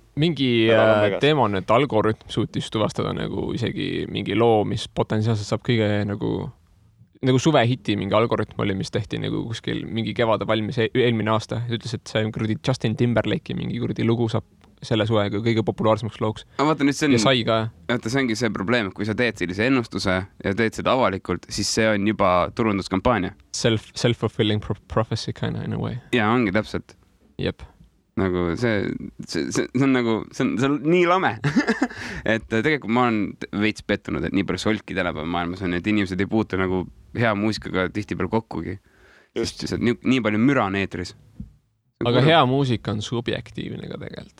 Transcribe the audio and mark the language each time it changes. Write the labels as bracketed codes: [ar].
[et] Mingi teema on, et algoritm suutis tuvastada nagu isegi mingi loo, mis potentsiaalselt saab kõige nagu suve hiti mingi algoritm oli, mis tehti nagu kuskil mingi kevade valmis eelmine aasta. Ütles, et see kuradi Justin Timberlake ja mingi kuradi lugu saab selle suvega kõige populaarsemaks looks. Vaata, nüüd ja sai ka. Vaata, see ongi see probleem, kui sa teed sellise ennustuse ja teed seda avalikult, siis see on juba turunduskampaania. [en] Self-fulfilling prophecy kind of in a way. [et] Ja ongi täpselt. Jep. Nagu see on nagu see on nii lame, et tegelikult ma olen veits pettunud, et nii palju solki tänapäeva maailmas on, et inimesed ei puutu nagu hea muusikaga tihti peal kokkugi. Just. Sest nii palju müra on eetris. Aga hea muusika on subjektiivne ka tegelikult.